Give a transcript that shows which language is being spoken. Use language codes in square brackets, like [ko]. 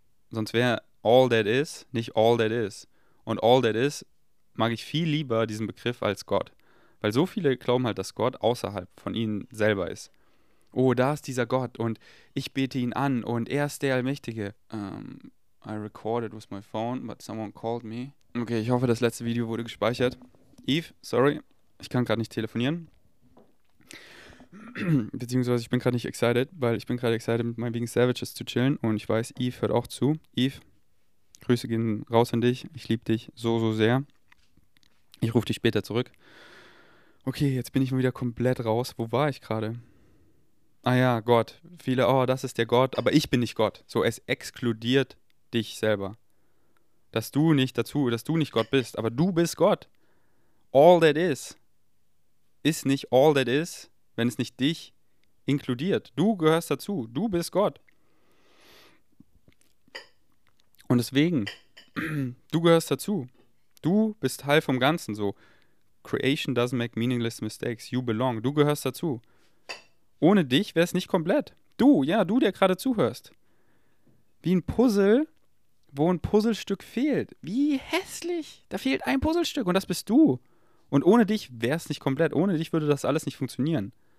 [de] Sonst wäre [en] all that is [de] nicht all that is. Und [en] all that is [de] mag ich viel lieber diesen Begriff als Gott. Weil so viele glauben halt, dass Gott außerhalb von ihnen selber ist. Oh, da ist dieser Gott und ich bete ihn an und er ist der Allmächtige. [en] I recorded with my phone, but someone called me. [de] Okay, ich hoffe, das letzte Video wurde gespeichert. Eve, sorry, ich kann gerade nicht telefonieren. Beziehungsweise ich bin gerade nicht excited, weil ich bin gerade excited, mit meinen Vegan Savages zu chillen und ich weiß, Eve hört auch zu. Eve, Grüße gehen raus an dich. Ich liebe dich so, so sehr. Ich rufe dich später zurück. Okay, jetzt bin ich mal wieder komplett raus. Wo war ich gerade? Ah ja, Gott. Viele, oh, das ist der Gott, aber ich bin nicht Gott. So, es exkludiert dich selber. Dass du nicht Gott bist, aber du bist Gott. [en] All that is, [de] ist nicht [en] all that is, [de] wenn es nicht dich inkludiert. Du gehörst dazu. Du bist Gott. Und deswegen, du gehörst dazu. Du bist Teil vom Ganzen, so. [en] Creation doesn't make meaningless mistakes. You belong. [de] Du gehörst dazu. Ohne dich wäre es nicht komplett. Du, ja, du, der gerade zuhörst. Wie ein Puzzle wo ein Puzzlestück fehlt. Wie hässlich. Da fehlt ein Puzzlestück und das bist du. Und ohne dich wäre es nicht komplett. Ohne dich würde das alles nicht funktionieren.